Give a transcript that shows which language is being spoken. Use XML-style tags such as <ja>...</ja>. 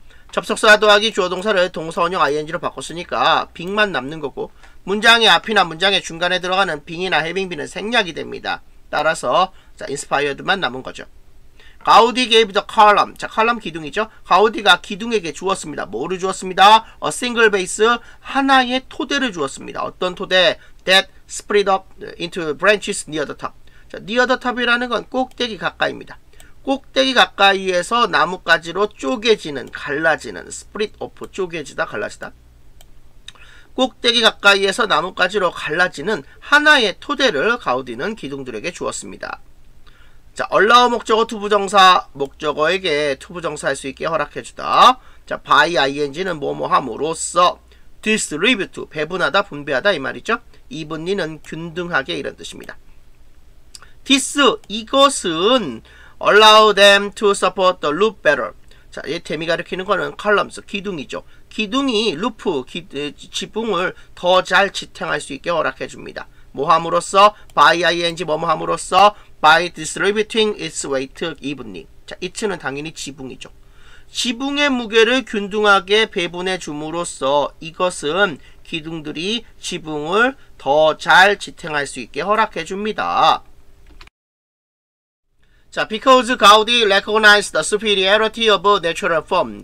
<ko>접속사 더하기 주어동사를 동사원형 ing로 바꿨으니까 being만 남는 거고 문장의 앞이나 문장의 중간에 들어가는 being이나 having been은 생략이 됩니다. 따라서 자, inspired만 남은 거죠. 가우디</ko> <en>gave the column.</en> <ko>자, 칼럼 기둥이죠. 가우디가 기둥에게 주었습니다. 뭐를 주었습니다?</ko> <en>A single base.</en> <ko>하나의 토대를 주었습니다. 어떤 토대?</ko> <en>That spread up into branches near the top.</en> <ko>자,</ko> <en>near the top</en> <ko>이라는 건 꼭대기 가까이입니다. 꼭대기 가까이에서 나뭇가지로 쪼개지는, 갈라지는,</ko> <en>split off,</en> <ko>쪼개지다, 갈라지다. 꼭대기 가까이에서 나뭇가지로 갈라지는 하나의 토대를 가우디는 기둥들에게 주었습니다. 자, 얼라우 목적어 투 부정사, 목적어에게 투 부정사할 수 있게 허락해주다. 자, by ing는 뭐뭐함으로써, distribute, 배분하다, 분배하다 이 말이죠. evenly 는 균등하게 이런 뜻입니다.</ko> <en>this,</en> <ko>이것은</ko> <en>allow them to support the loop better.</en> <ko>자, 이 데미 가리키는 거는 columns, 기둥이죠. 기둥이 loop, 지붕을 더 잘 지탱할 수 있게 허락해줍니다. 뭐함으로써?</ko> <en>by ing</en> <ko>뭐뭐함으로써?</ko> <en>by distributing its weight evenly.</en> <ko>자, it는 당연히 지붕이죠. 지붕의 무게를 균등하게 배분해 줌으로써 이것은 기둥들이 지붕을 더 잘 지탱할 수 있게 허락해 줍니다.</ko> <en>자, because Gaudi recognized the superiority of natural form.</en>